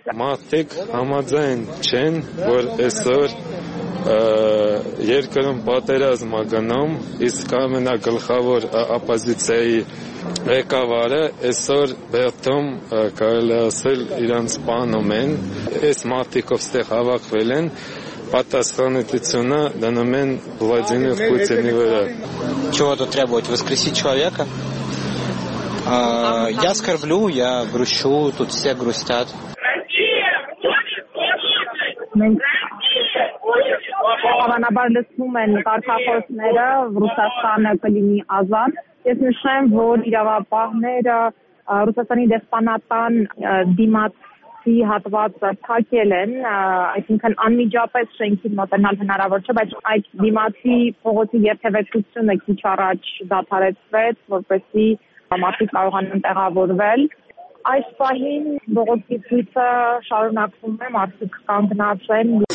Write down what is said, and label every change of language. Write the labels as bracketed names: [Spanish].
[Armenian] Մարդիկ համաձայն չեն, որ այսօր երկրում պատերազմ է գնում, իսկ ամենագլխավոր օպոզիցիայի ղեկավարը այսօր Բերտում, կարելի ասել, իրան սպանում են, այս մարդիկով ստեղ հավաքվել են, պատասխանատվությունը դնում են Վլադիմիր Պուտինի վրա։ [Russian] Чего-то требует воскресить человека? Я скорблю, я грущу, тут все грустят. [Armenian] Հավանաբար լսվում են կարգախոսները, Ռուսաստանը կլինի ազատ։ Ես նշեմ, որ իրավապահները Ռուսաստանի դեսպանատան դիմացի հատվածը փակել են, այսինքն անմիջապես շենքի մոտենալ հնարավոր չէ, բայց այդ դիմացի փողոցի երթևեկությունը քիչ առաջ դադարեցվեց, որպեսզի մարդիկ կարողանան տեղավորվել։ Այս պահին բողոքի ցույցը շարունակվում է, մարդիկ կանգնած են։